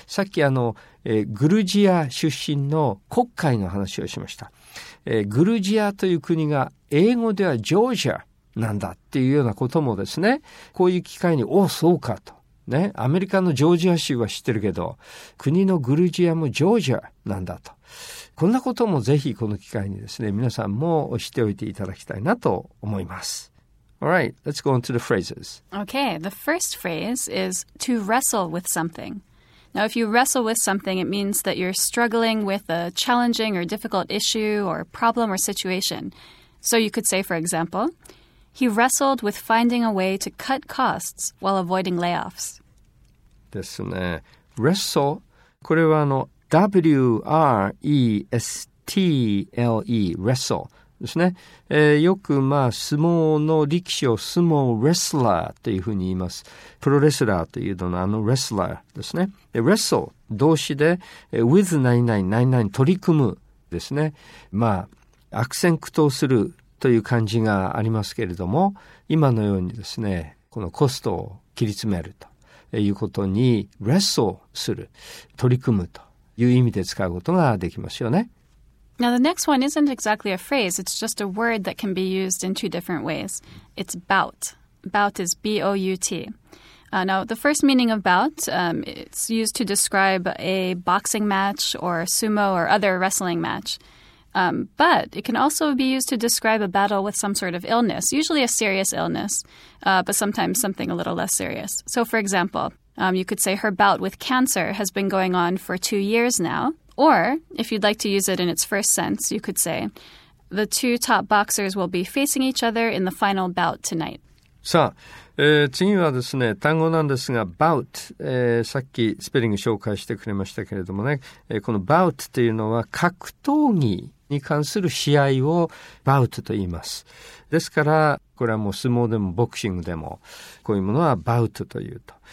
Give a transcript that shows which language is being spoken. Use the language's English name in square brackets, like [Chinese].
[Japanese] さっきグルジア出身の国会の話をしました、グルジアという国が英語ではジョージアなんだっていうようなこともですね、こういう機会に、おそうかとね、アメリカのジョージア州は知ってるけど、国のグルジアもジョージアなんだと。こんなこともぜひこの機会にですね、皆さんも知っておいていただきたいなと思います。 [English] Alright, let's go on to the phrases. Okay, the first phrase is to wrestle with something. Now, if you wrestle with something, it means that you're struggling with a challenging or difficult issue or problem or situation. So you could say, for example,He wrestled with finding a way to cut costs while avoiding layoffs. [Japanese] ですね。Wrestle、 これは W-R-E-S-T-L-E、 Wrestle ですね、よくまあ相撲の力士を相撲 wrestler というふうに言います。プロレスラーというのは wrestler ですね。で、 Wrestle 動詞で、with 何々何々、取り組むですね。まあ悪戦苦闘するという感じがありますけれども、今のようにですね、このコストを切り詰めるということに、wrestle する、取り組むという意味で使うことができますよね。 [English] Now the next one isn't exactly a phrase, it's just a word that can be used in two different ways. It's bout. Bout is B-O-U-T. Now, the first meaning of bout, it's used to describe a boxing match or sumo or other wrestling match. But it can also be used to describe a battle with some sort of illness, usually a serious illness, but sometimes something a little less serious. So, for example, you could say her bout with cancer has been going on for 2 years now. Or, if you'd like to use it in its first sense, you could say, the two top boxers will be facing each other in the final bout tonight. [Japanese] さあ、次はですね、単語なんですが、bout、さっきスペリング紹介してくれましたけれどもね、この bout というのは格闘技に関する試合を bout と言います。ですから、これはもう相撲でもボクシングでも、こういうものは bout というと。